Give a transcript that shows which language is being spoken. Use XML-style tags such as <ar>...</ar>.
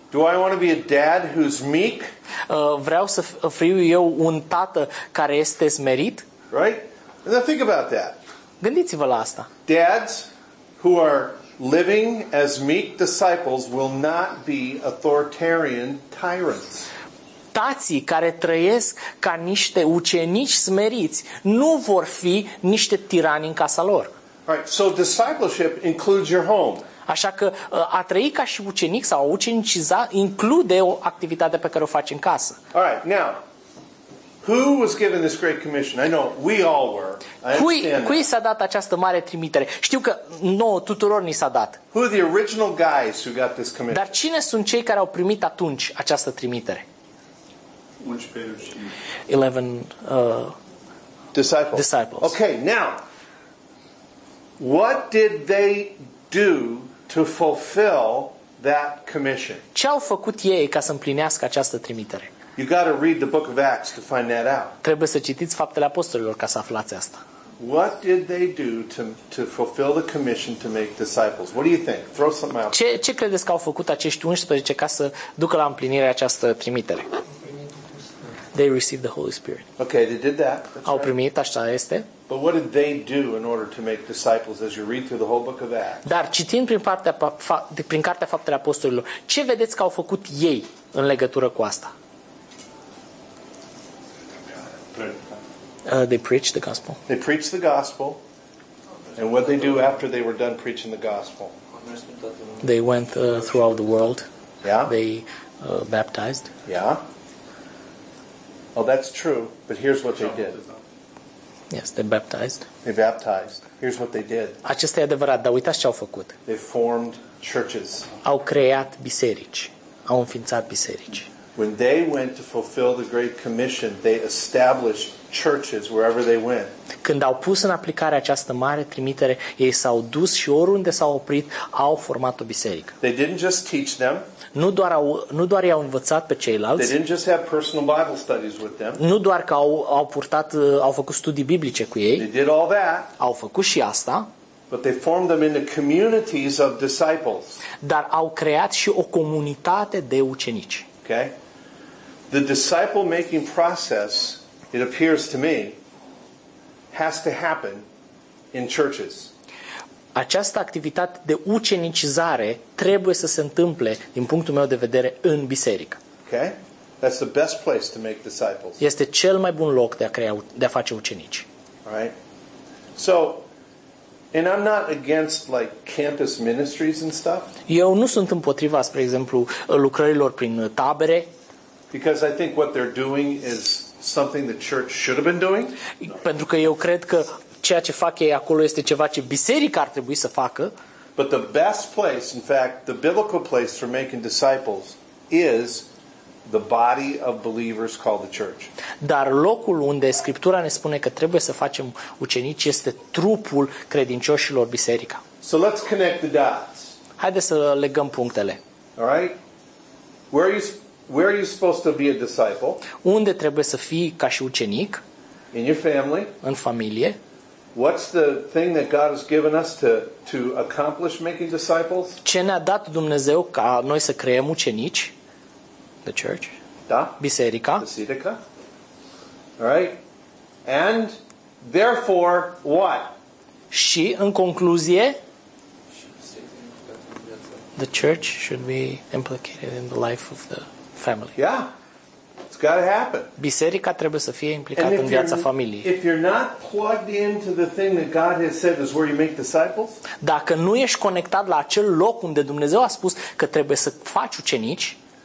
<en>Do I want to be a dad who's meek?</en> <ro>Vreau să fiu eu un tată care este smerit?</ro> <en>Right? And then think about that.</en> <ro>Gândiți-vă la asta.</ro> <en>Dads who are living as meek disciples will not be authoritarian tyrants.</en> <ro>Tații care trăiesc ca niște ucenici smeriți nu vor fi niște tirani în casa lor.</ro> <en>Right, so discipleship includes your home.</en> <ro>Așa că a trăi ca și ucenic sau a ucenicizat include o activitate pe care o faci în casă.</ro> <en>All right, now, who was given this great commission? I know we all were.</en> <ro>Cui s-a dat această mare trimitere? Știu că nouă tuturor ni s-a dat.</ro> <en>Who are the original guys who got this commission?</en> <ro>Dar cine sunt cei care au primit atunci această trimitere?</ro> <en>11 disciples. Okay, now, what did they do to fulfill that commission?</en> <ro>Ce au făcut ei ca să împlinească această trimitere?</ro> <en>You got to read the book of Acts to find that out.</en> <ro>Trebuie să citiți Faptele Apostolilor ca să aflați asta.</ro> <en>What did they do to fulfill the commission to make disciples? What do you think? Throw something out.</en> <ro>Ce credeți că au făcut acești 11 ca să ducă la împlinire această trimitere?</ro> <en>they received the Holy Spirit. Okay, they did that.</en> <ro>Au primit, așa este.</ro> <en>But what did they do in order to make disciples as you read through the whole book of Acts?</en> <ro>Dar citind prin cartea Faptele Apostolilor, ce vedeți că au făcut ei în legătură cu asta?</ro> <en>They preached the gospel. They preached the gospel. And what they do after they were done preaching the gospel? They went throughout the world. Yeah. They baptized. Yeah. Well, that's true, but here's what they did. Yes, they baptized. They baptized. Here's what they did.</en> <ro>Acesta e adevărat, dar uitați ce au făcut.</ro> <en>They formed churches.</en> <ro>Au creat biserici. Au înființat biserici.</ro> <en>When they went to fulfill the Great Commission, they established churches wherever they went.</en> <ro>Când au pus în aplicare această mare trimitere, ei s-au dus și oriunde s-au oprit, au format o biserică.</ro> <en>They didn't just teach them.</en> <ro>Nu doar i-au învățat pe ceilalți.</ro> <en>They didn't just have personal Bible studies with them.</en> <ro>Nu doar că au făcut studii biblice cu ei.</ro> <en>They did all that.</en> <ro>Au făcut și asta.</ro> <en>But they formed them into communities of disciples.</en> <ro>Dar au creat și o comunitate de ucenici.</ro> <en>Okay? The disciple making process, it appears to me, has to happen in churches.</en> <ro>Această activitate de ucenicizare trebuie să se întâmple, din punctul meu de vedere, în biserică.</ro> <en>Okay? That's the best place to make disciples.</en> <ro>Este cel mai bun loc de a face ucenici.</ro> <en>Right? So, and I'm not against like campus ministries and stuff.</en> <ro>Eu nu sunt împotriva, spre exemplu, lucrărilor prin tabere.</ro> <en>Because I think what they're doing is something the church should have been doing.</en> <ro>Pentru că eu cred că ceea ce fac ei acolo este ceva ce biserica ar trebui să facă.</ro> <en>But the best place, in fact, the biblical place for making disciples is the body of believers called the church.</en> <ro>Dar locul unde Scriptura ne spune că trebuie să facem ucenici este trupul credincioșilor, biserica.</ro> <en>So let's connect the dots.</en> <ro>Haideți să legăm punctele.</ro> <en>All right? Where are you supposed to be a disciple?</en> <ro>Unde trebuie să fii ca și ucenic?</ro> <en>In your family?</en> <ro>În familie?</ro> <en>What's the thing that God has given us to accomplish making disciples?</en> <ro>Ce ne-a dat Dumnezeu ca noi să creăm ucenici?</ro> <en>The church?</en> <ro>Da. Biserica? Biserica.</ro> <en>All right? And therefore what?</en> <ro>Și în concluzie,</ro> <en>the church should be implicated in the life of the family. Yeah. It's got to happen.</en> <ro>Biserica trebuie să fie implicată în viața familiei.</ro> <en>If you're not plugged into the thing that God has said is where you make disciples?</en> <ro>Dacă nu ești conectat la acel loc unde Dumnezeu a spus că trebuie să faci ucenici,</ro>